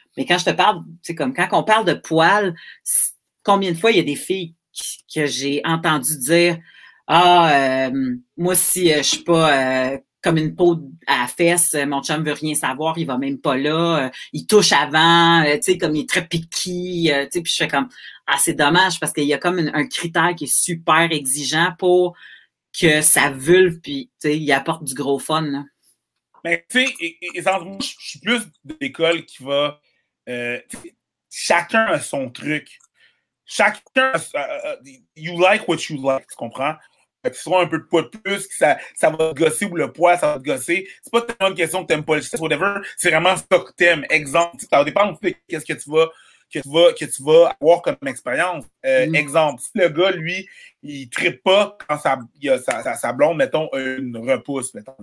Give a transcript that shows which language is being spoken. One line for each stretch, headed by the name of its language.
French: Mais quand je te parle, tu sais, comme quand on parle de poils, combien de fois il y a des filles que j'ai entendu dire « Ah, moi, si je suis pas comme une peau à la fesse, mon chum veut rien savoir, il va même pas là, il touche avant, tu sais, comme il est très picky, tu sais, puis je fais comme... Ah, c'est dommage parce qu'il y a comme un critère qui est super exigeant pour que ça vulve puis tu sais, il apporte du gros fun. Là. Mais tu sais, moi, je suis plus d'école qui va. Chacun a son truc. Chacun a.
English: You like what you like,
French: tu comprends? Que tu sois un peu de poids de plus, que ça va te gosser ou le poids, ça va te gosser. C'est pas tellement une question que t'aimes pas le sexe, whatever. C'est vraiment ça que t'aimes. Exemple, ça dépend de qu'est-ce que tu vas. Que tu vas avoir comme expérience. Exemple, si le gars, lui, il ne trippe pas quand sa blonde, mettons, une repousse, mettons.